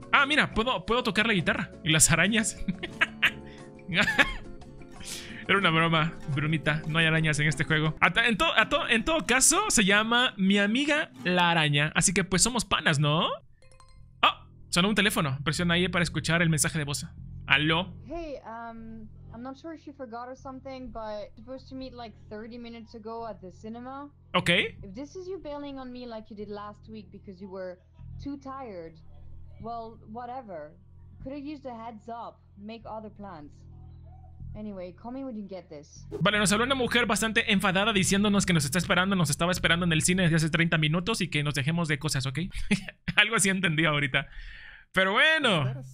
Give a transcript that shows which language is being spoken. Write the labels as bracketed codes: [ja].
[es] Ah, mira, puedo tocar la guitarra y las arañas. Era una broma, Brunita. No hay arañas en este juego. En todo caso, se llama mi amiga la araña. Así que pues somos panas, ¿no? ¡Oh! Sonó un teléfono. Presiona ahí para escuchar el mensaje de voz. ¡Aló! [en] Hey, I'm not sure if she forgot or something, but supposed to meet like 30 minutes ago at the cinema. Okay. If this is you bailing on me like you did last week because you were too tired, well, whatever. Could have used a heads up. Make other plans. Anyway, call me when you get this. [es] Vale, nos habló una mujer bastante enfadada diciéndonos que nos está esperando, nos estaba esperando en el cine desde hace 30 minutos y que nos dejemos de cosas, ¿ok? Algo así entendí ahorita. Pero bueno.